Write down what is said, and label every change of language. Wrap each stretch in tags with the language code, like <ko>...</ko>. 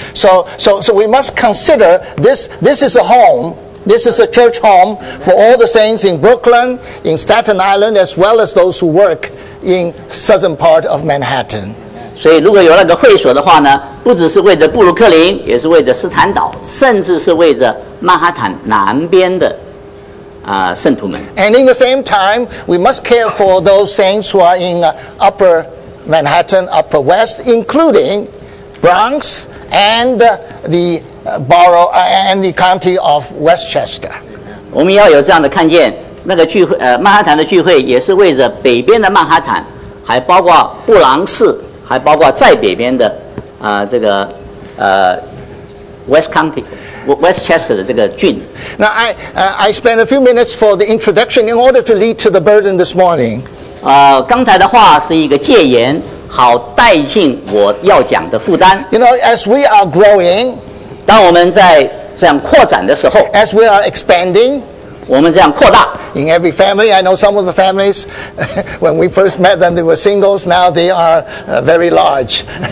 <en>So we must consider this is a home, this is a church home for all the saints in Brooklyn, in Staten Island, as well as those who work in southern part of Manhattan.</en> <zh>所以如果有那个会所的话呢，不只是为着布鲁克林，也是为着斯坦岛，甚至是为着曼哈坦南边的。圣徒们。</zh> <en>And in the same time, we must care for those saints who are in Upper Manhattan, Upper West, including Bronx and the borough and the county of Westchester.</en> <zh>我们要有这样的看见，那个聚会，曼哈坦的聚会也是为着北边的曼哈坦，还包括布朗士，还包括在北边的这个West County. Westchester 的这个郡。</zh> <en>Now I spent a few minutes for the introduction in order to lead to the burden this morning.</en> <zh>刚才的话是一个戒言，好带进我要讲的负担。</zh> <en>You know, as we are growing,</en> <zh>当我们在这样扩展的时候</zh> <en>，as we are expanding, In every family, I know some of the families, when we first met them, they were singles, now they are very large.</en>